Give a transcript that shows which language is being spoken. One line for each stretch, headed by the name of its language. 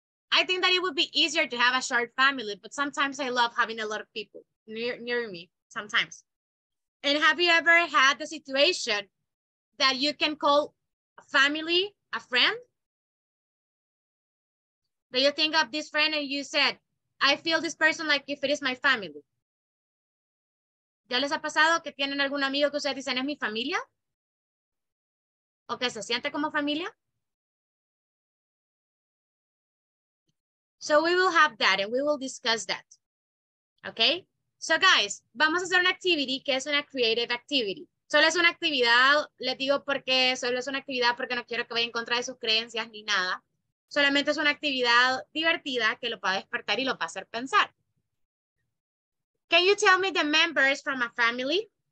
English: I think that it would be easier to have a short family, but sometimes I love having a lot of people near me sometimes. And have you ever had the situation that you can call family a friend? That you think of this friend and you said, I feel this person like if it is my family.
Spanish: ¿Ya les ha pasado que tienen algún amigo que ustedes dicen es mi familia? ¿O que se siente como familia?
English: So we will have that and we will discuss that. Okay? So guys,
Spanish: vamos a hacer una activity que es una
English: creative activity.
Spanish: Solo es una actividad, les digo por qué, solo es una actividad porque no quiero que vaya en contra de sus creencias ni nada. Solamente es una actividad divertida que lo va a despertar y lo va a hacer pensar.
English: Can you tell me the members from a family?